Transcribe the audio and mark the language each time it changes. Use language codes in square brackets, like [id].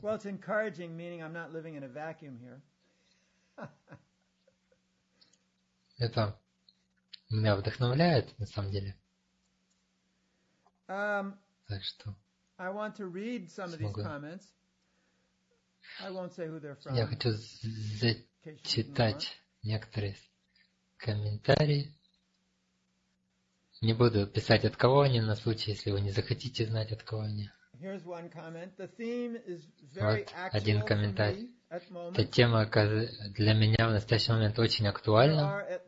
[en] Well, it's encouraging, meaning I'm not living in a vacuum here. [ru] Это меня вдохновляет, на самом деле. Так что... [en] I want to read some of these comments. I won't say who they're from. [ru] Я хочу зачитать некоторые комментарии. Не буду писать, от кого они, на случай, если вы не захотите знать, от кого они. [en] Here's one comment. The theme is very [ru] actual. Вот один комментарий. Эта тема для меня в настоящий момент очень актуальна.